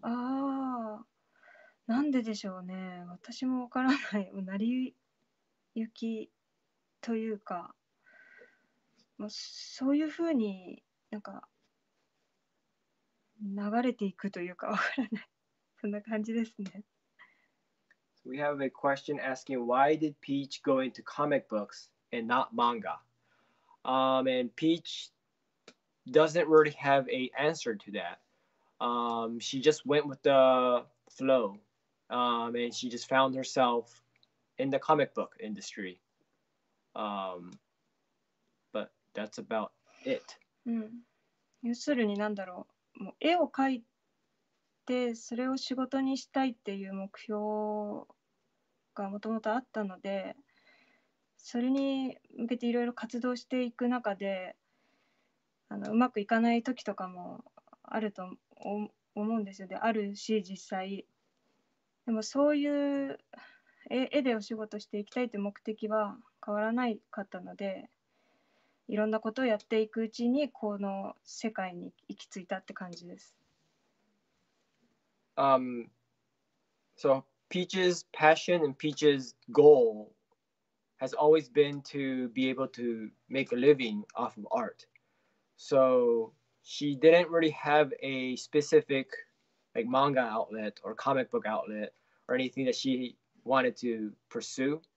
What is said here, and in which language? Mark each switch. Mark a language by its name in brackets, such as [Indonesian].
[Japanese] ああ、なんででしょうね。私もわからない。成り行きというか、もうそういうふうになんか流れていくというか、わからない。そんな感じですね。 [English] So、we have a question asking, why did Peach go into comic books?And not manga. And Peach doesn't really have an answer to that. She just went with the flow, and she just found herself in the comic book industry. But that's about it. [Japanese] うん。要するに何だろう。もう絵を描いてそれを仕事にしたいっていう目標がもともとあったので、それに向けていろいろ活動していく中で、あのうまくいかない時とかもあると思うんですよ。であるし、実際でもそういう絵でお仕事していきたいって目的は変わらないかったので、いろんなことをやっていくうちにこの世界に行き着いたって感じです。 [English] So Peach's passion and Peach's goal has always been to be able to make a living off of art. So she didn't really have a specific like manga outlet or comic book outlet or anything that she wanted to pursue.